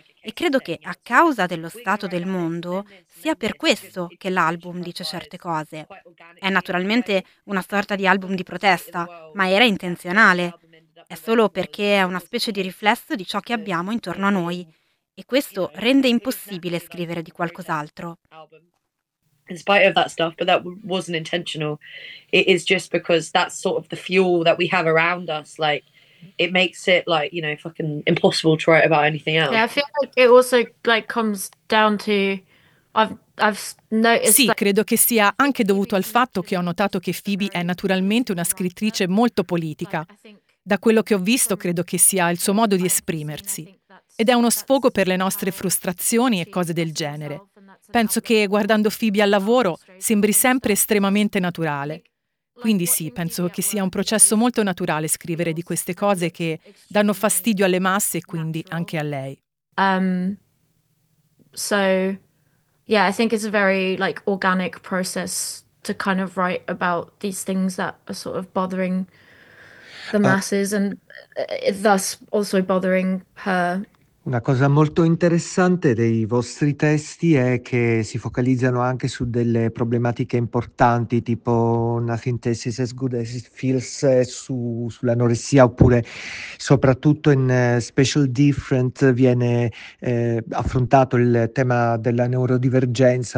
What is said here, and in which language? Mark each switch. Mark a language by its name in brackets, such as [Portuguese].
[Italian] E credo che, a causa dello stato del mondo, sia per questo che l'album dice certe cose. È naturalmente una sorta di album di protesta, ma era intenzionale. È solo perché è una specie di riflesso di ciò che abbiamo intorno a noi. E questo rende impossibile scrivere di qualcos'altro. [English] In spite of that stuff, but that wasn't intentional. It is just because that's sort of the fuel that we have around us. Like, it makes it like, you know, fucking impossible to write about anything else. Yeah, I feel like it also like comes down to I've noticed. [Italian] Sì, credo che sia anche dovuto al fatto che ho notato che Phoebe è naturalmente una scrittrice molto politica. Da quello che ho visto, credo che sia il suo modo di esprimersi. Ed è uno sfogo per le nostre frustrazioni e cose del genere. Penso che, guardando Phoebe al lavoro, sembri sempre estremamente naturale. Quindi sì, penso che sia un processo molto naturale scrivere di queste cose che danno fastidio alle masse e quindi anche a lei. [English] So, yeah, I think it's a very, like, organic process to kind of write about these things that are sort of bothering the masses and thus also bothering her. [Italian] Una cosa molto interessante dei vostri testi è che si focalizzano anche su delle problematiche importanti, tipo Nothing Tastes as Good as It Feels, sull'anoressia, oppure soprattutto in Special Different viene affrontato il tema della neurodivergenza.